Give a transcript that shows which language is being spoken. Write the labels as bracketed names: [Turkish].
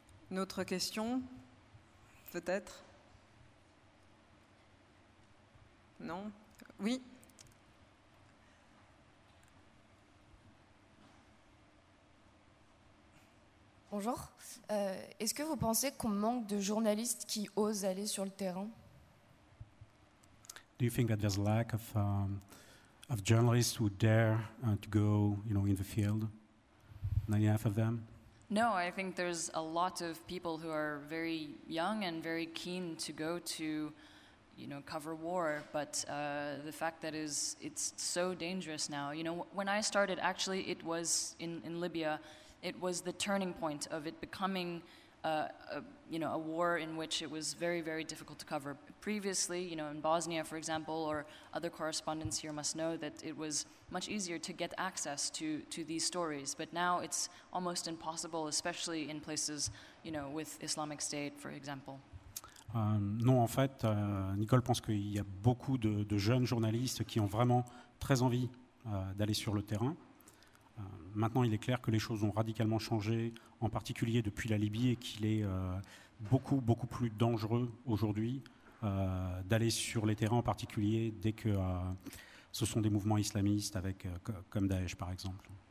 [French] Une autre question, peut-être ? Non ? Oui ? Bonjour. Est-ce que vous pensez qu'on manque de journalistes qui osent aller sur le terrain? [English] Do you think that there's a lack of journalists who dare to go, you know, in the field? Not enough of them? No, I think there's a lot of people who are very young and very keen to go to, you know, cover war, but the fact that is it's so dangerous now. You know, when I started, actually it was in Libya. It was the turning point of it becoming, a war in which it was very, very difficult to cover. Previously, you know, in Bosnia, for example, or other correspondents here must know that it was much easier to get access to these stories. But now it's almost impossible, especially in places, you know, with Islamic State, for example. [French] Non, en fait, Nicole pense qu'il y a beaucoup de jeunes journalistes qui ont vraiment très envie d'aller sur le terrain. Maintenant, il est clair que les choses ont radicalement changé, en particulier depuis la Libye, et qu'il est beaucoup, beaucoup plus dangereux aujourd'hui d'aller sur les terrains, en particulier dès que ce sont des mouvements islamistes, avec, comme Daesh, par exemple.